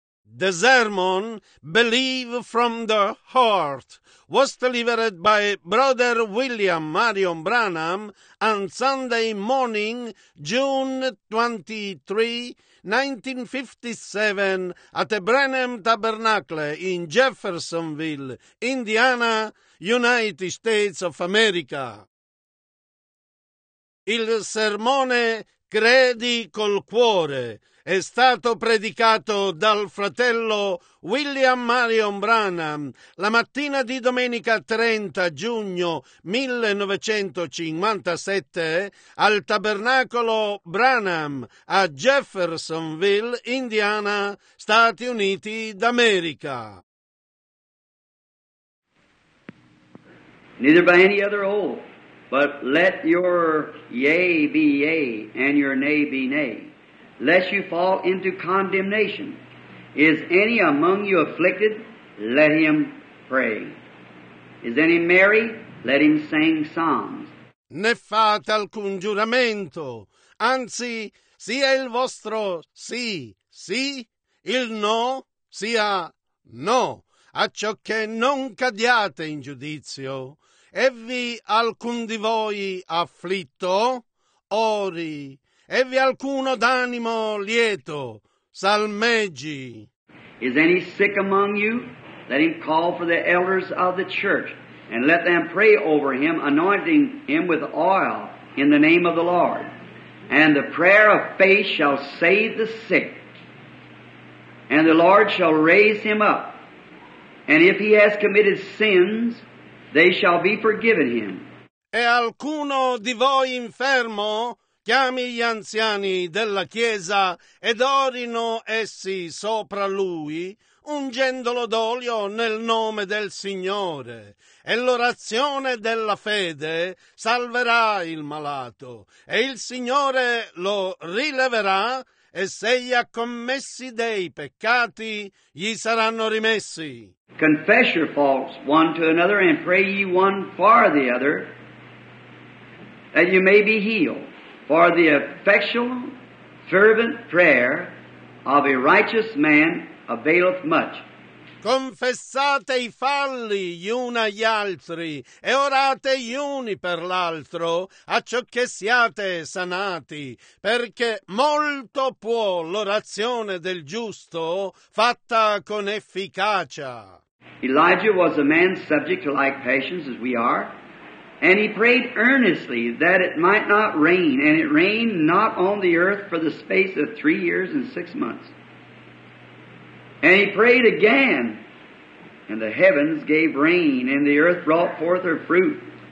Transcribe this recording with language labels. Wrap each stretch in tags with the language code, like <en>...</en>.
<en>The sermon, Believe from the Heart, was delivered by Brother William Marion Branham on Sunday morning, June 23, 1957, at the Branham Tabernacle in Jeffersonville, Indiana, United States of America.</en> <it>Il sermone Credi col cuore è stato predicato dal fratello William Marion Branham la mattina di domenica 30 giugno 1957 al Tabernacolo Branham a Jeffersonville, Indiana, Stati Uniti d'America.</it> <en>Neither by any other oath. But let your yea be yea, and your nay be nay, lest you fall into condemnation. Is any among you afflicted? Let him pray. Is any merry? Let him sing psalms.</en> <it>Ne fate alcun giuramento, anzi sia il vostro sì, sì, il no sia no, a ciò che non cadiate in giudizio. Evvi alcun di voi afflitto? Ori. Evvi alcuno d'animo lieto? Salmeggi.</it> <en>Is any sick among you? Let him call for the elders of the church, and let them pray over him, anointing him with oil in the name of the Lord. And the prayer of faith shall save the sick, and the Lord shall raise him up. And if he has committed sins, they shall be forgiven him.</en> <it>E alcuno di voi infermo, chiami gli anziani della chiesa ed orino essi sopra lui, ungendolo d'olio nel nome del Signore. E l'orazione della fede salverà il malato, e il Signore lo rileverà, e se gli ha commessi dei peccati, gli saranno rimessi.</it> <en>Confess your faults one to another, and pray ye one for the other, that you may be healed. For the effectual, fervent prayer of a righteous man availeth much.</en> <it>Confessate i falli gli uni agli altri, e orate gli uni per l'altro, a ciò che siate sanati, perché molto può l'orazione del giusto fatta con efficacia.</it> <en>Elijah was a man subject to like passions as we are, and he prayed earnestly that it might not rain, and it rained not on the earth for the space of 3 years and 6 months. And he prayed again, and the heavens gave rain, and the earth brought forth her fruit.</en>